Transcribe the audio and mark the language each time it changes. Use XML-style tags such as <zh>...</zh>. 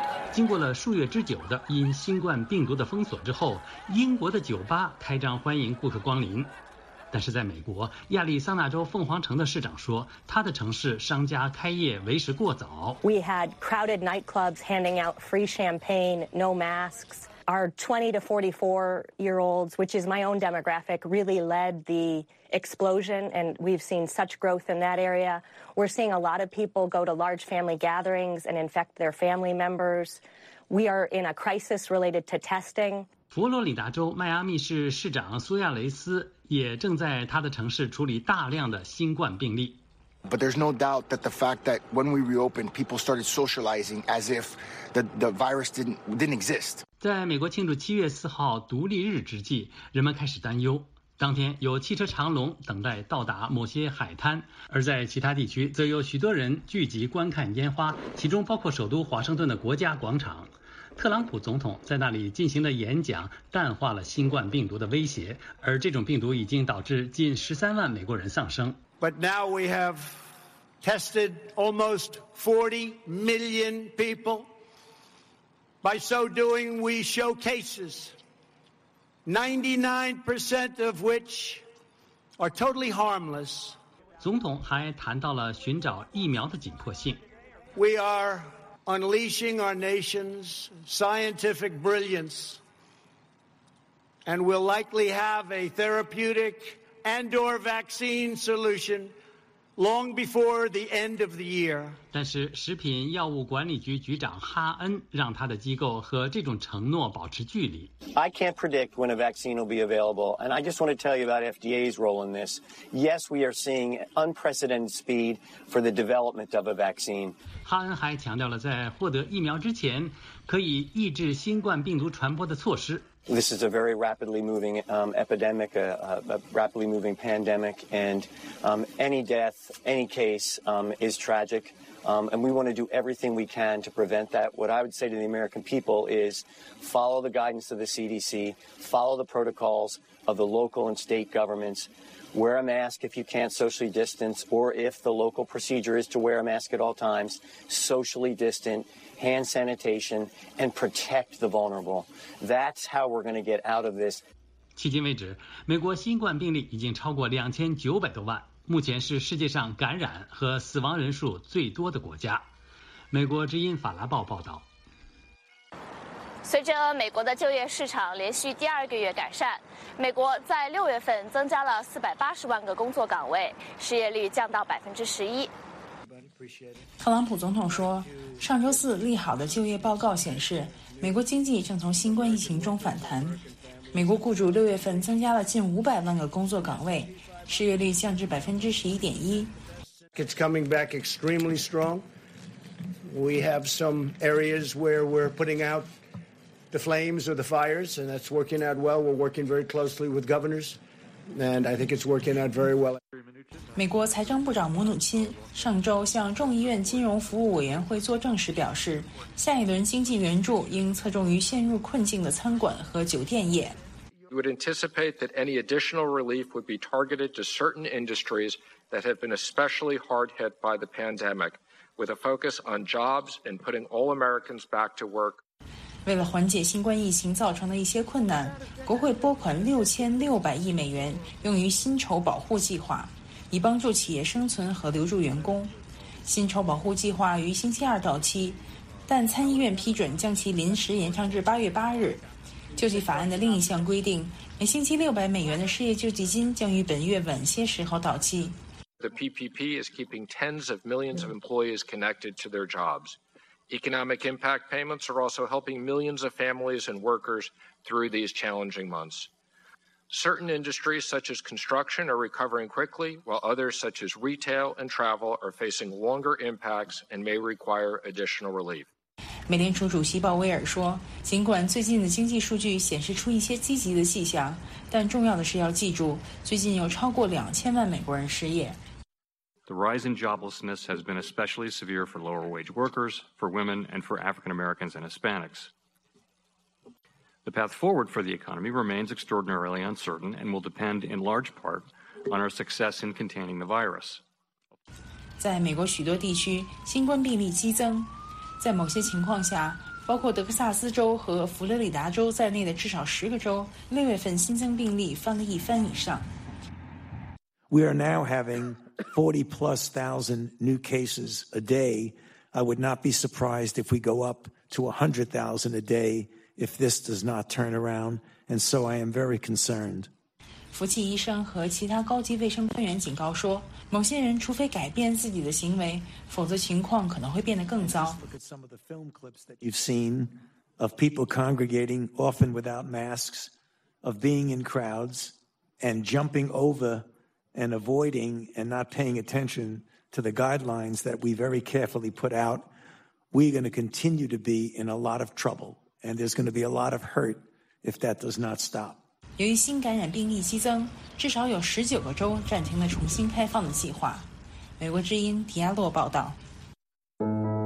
<zh>经过了数月之久的因新冠病毒的封锁之后，英国的酒吧开张欢迎顾客光临。但是在美国，亚利桑那州凤凰城的市长说，他的城市商家开业为时过早。</zh> <en>We had crowded nightclubs handing out free champagne, no masks. Our 20-44-year-olds, which is my own demographic, really led the explosion, and we've seen such growth in that area. We're seeing a lot of people go to large family gatherings and infect their family members. We are in a crisis related to testing.</en> <zh>佛罗里达州迈阿密市市长苏亚雷斯也正在他的城市处理大量的新冠病例。</zh> <en>But there's no doubt that the fact that when we reopened, people started socializing as if the virus didn't exist.</en> <zh>在美国庆祝7月4号独立日之际，人们开始担忧。当天有汽车长龙等待到达某些海滩，而在其他地区则有许多人聚集观看烟花，其中包括首都华盛顿的国家广场。特朗普总统在那里进行的演讲淡化了新冠病毒的威胁，而这种病毒已经导致近13万美国人丧生。</zh> <en>But now we have tested almost 40 million people. By so doing, we show cases, 99% of which are totally harmless.</en> <zh>总统还谈到了寻找疫苗的紧迫性。</zh> <en>We are. Unleashing our nation's scientific brilliance, and we'll likely have a therapeutic and/or vaccine solution long before the end of the year.</en> <zh>但是食品药物管理局局长哈恩让他的机构和这种承诺保持距离。</zh> <en>I can't predict when a vaccine will be available, and I just want to tell you about FDA's role in this. Yes, we are seeing unprecedented speed for the development of a vaccine.</en> <zh>哈恩还强调了在获得疫苗之前可以抑制新冠病毒传播的措施。</zh> <en>This is a very rapidly moving epidemic, a rapidly moving pandemic, and any death, any case is tragic. And we want to do everything we can to prevent that. What I would say to the American people is follow the guidance of the CDC, follow the protocols of the local and state governments, wear a mask if you can't socially distance, or if the local procedure is to wear a mask at all times, socially distant. Hand sanitation and protect the vulnerable. That's how we're going to get out of this.</en> <zh>迄今为止，美国新冠病例已经超过2900多万，目前是世界上感染和死亡人数最多的国家。美国之音法拉报报道。随着美国的就业市场连续第二个月改善，美国在六月份增加了480万个工作岗位，失业率降到11%。特朗普总统说，上周四利好的就业报告显示，美国经济正从新冠疫情中反弹。美国雇主六月份增加了近500万个工作岗位，失业率降至11.1%。</zh> <en>It's coming back extremely strong. We have some areas where we're putting out the flames or the fires, and that's working out well. We're working very closely with governors. And I think it's working out very well.</en> <zh>美国财政部长姆努钦上周向众议院金融服务委员会作证时表示，下一轮经济援助应侧重于陷入困境的餐馆和酒店业。</zh> <en>We would anticipate that any additional relief would be targeted to certain industries that have been especially hard hit by the pandemic, with a focus on jobs and putting all Americans back to work.</en> <zh>为了缓解新冠疫情造成的一些困难，国会拨款6600亿美元用于薪酬保护计划，以帮助企业生存和留住员工。薪酬保护计划于星期二到期，但参议院批准将其临时延长至8月8日。救济法案的另一项规定，每星期600美元的失业救济金将于本月晚些时候到期。</zh> <en>The PPP is keeping tens of millions of employees connected to their jobs. Economic impact payments are also helping millions of families and workers through these challenging months. Certain industries such as construction are recovering quickly, while others such as retail and travel are facing longer impacts and may require additional relief.</en> <zh>美联储主席鲍威尔说，尽管最近的经济数据显示出一些积极的迹象，但重要的是要记住，最近有超过2000万美国人失业。</zh> <en>The rise in joblessness has been especially severe for lower-wage workers, for women, and for African-Americans and Hispanics. The path forward for the economy remains extraordinarily uncertain and will depend in large part on our success in containing the virus.</en> <zh>在美国许多地区，新冠病例激增。在某些情况下，包括德克萨斯州和佛罗里达州在内的至少10个州，六月份新增病例翻了一番以上。</zh> <en>We are now having 40,000+ new cases a day. I would not be surprised if we go up to 100,000 a day if this does not turn around. And so I am very concerned.</en> <zh>福奇医生和其他高级卫生官员警告说，某些人除非改变自己的行为，否则情况可能会变得更糟。</zh> <en>Look at some of the film clips that you've seen of people congregating, often without masks, of being in crowds and jumping over. And avoiding and not paying attention to the guidelines that we very carefully put out, we're going to continue to be in a lot of trouble, and there's going to be a lot of hurt if that does not stop.</en> <zh>由于新感染病例激增，至少有19个州暂停了重新开放的计划。美国之音迪亚洛报道。</zh>